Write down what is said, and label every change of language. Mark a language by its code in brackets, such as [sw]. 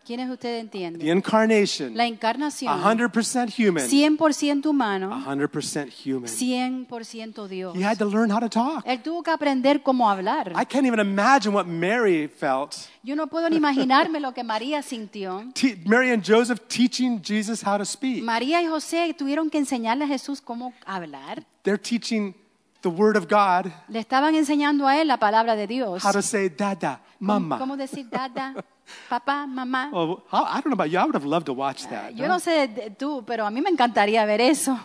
[es] ¿Quiénes ustedes entienden? [en] The incarnation. [es] La encarnación. [en] 100% human. [es] 100% humano. [en] 100% human. [es] 100% Dios. [en] He had to learn how to talk. [es] Él tuvo que aprender cómo hablar. [en] I can't even imagine what Mary felt. [es] Yo no puedo ni imaginarme lo que María sintió. [en] Mary and Joseph teaching Jesus how to speak. [es] María y José tuvieron que enseñarle a Jesús cómo hablar. [en] They're teaching the word of God. [es] Le estaban enseñando a él la palabra de Dios. [en] How to say dada, mama. [es] ¿Cómo decir dada, Papá, mamá. [en] Oh, I don't know about you. I would have loved to watch that. [es] Yo no sé de tú, pero a mí me encantaría ver eso.